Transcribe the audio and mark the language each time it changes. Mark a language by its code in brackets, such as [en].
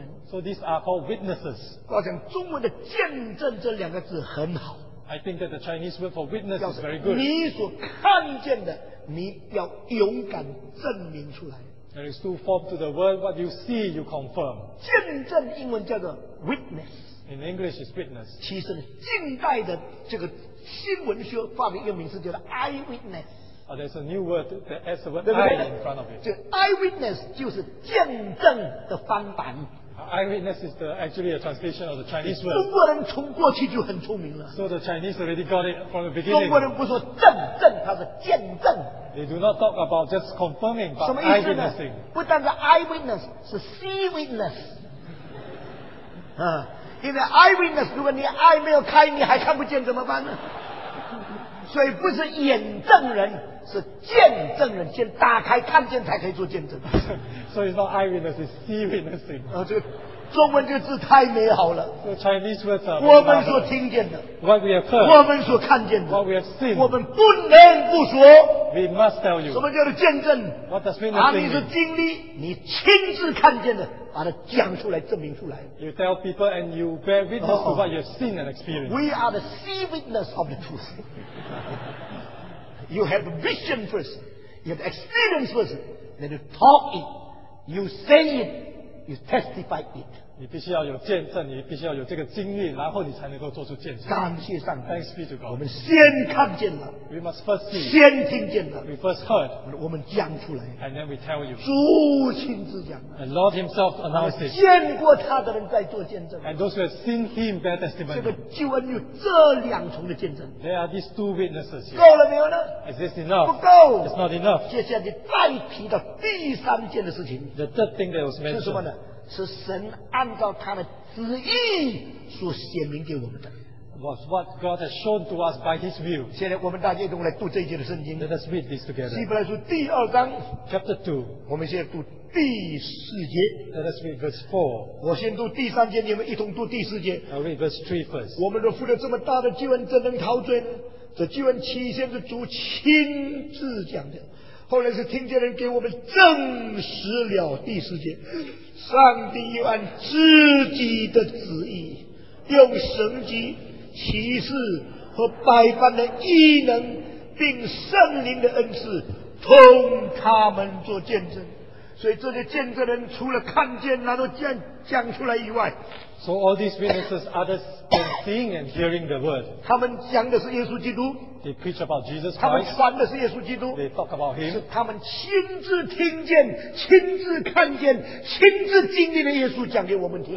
[en] So these are called witnesses. I think that the Chinese word for witness is very good. There is two forms to the word. What you see, you confirm. Witness. In English, it's witness. [zh] 其实近代的这个新闻学发明一个名词叫做 eyewitness. [en] Oh, there's a new word that adds the word eye in front of it. [zh] 这 eyewitness 就是见证的翻版。 [en] Eyewitness is actually a translation of the Chinese word. [zh] 中国人从过去就很聪明了。 [en] So the Chinese already got it from the beginning. [zh] 中国人不说证证，他是见证。 [en] They do not talk about just confirming, but [zh] 什么意思呢? [en] Eyewitnessing. [zh] 不但是 eyewitness， 是 [en] see witness。 [zh] 因为 eyewitness， 如果你 eye 没有开，你还看不见怎么办呢？所以不是眼证人，是见证人，先打开看见才可以做见证。 [en] So it's not eyewitness， it's see witnessing. [zh] 中文这个字太美好了。 [en] The Chinese words are [zh] 我们所听见的。 [en] What we have heard. [zh] 我们所看见的。 [en] What we have seen. [zh] 我们不能不说。 [en] We must tell you. [zh] 什么叫做见证？ [en] What does witnessing mean? [zh] 你是经历，你亲自看见的。把它讲出来，证明出来。 [en] You tell people and you bear witness to what you have seen and experienced. We are the see witness of the truth. You have a vision first. You have experience first. Then you talk it. You say it. You testify it. [zh] 你必须要有见证，你必须要有这个经历，然后你才能够做出见证。感谢上帝。 [en] Thanks be to God。 [zh] 我们先看见了。 [en] We must first see。 [zh] 先听见了。 [en] We first heard。 [zh] 我们讲出来。 [en] And then we tell you。 [zh] 主亲自讲。 [en] The Lord Himself announced it。 [zh] 见过他的人在做见证。 [en] And those who have seen Him bear testimony。 [zh] 这个救恩有这两重的见证。 [en] There are these two witnesses here。 [zh] 够了没有呢？ [en] Is this enough？ [zh] 不够。 [en] It's not enough。 [zh] 接下来再提到第三件的事情。 [en] The third thing that was mentioned。 [zh] 是什么呢？是神按照他的旨意所显明给我们的。 [en] Was what God has shown to us by His will。 [zh] 现在我们大家一同来读这一节的圣经。 [en] Let us read this together。 [zh] 希伯来书第二章 [en] ，Chapter Two。 [zh] 我们现在读第四节。 [en] Let us read verse four。 [zh] 我先读第三节，你们一同读第四节。 [en] I read verse three first。 [zh] 我们若负了这么大的救恩，怎能陶醉呢？这救恩起先是主亲自讲的，后来是听见人给我们证实了。第四节。上帝又按自己的旨意，用神迹、奇事和百般的异能，并圣灵的恩赐，同他们做见证。所以这些见证人除了看见，然后讲出来以外 [en] ，So all these witnesses others than seeing and hearing the word， [zh] 他们讲的是耶稣基督。 [en] They preach about Jesus [zh] Christ. 他们传的是耶稣基督。 [en] They talk about him. [zh] 是他们亲自听见、亲自看见、亲自经历的耶稣讲给我们听。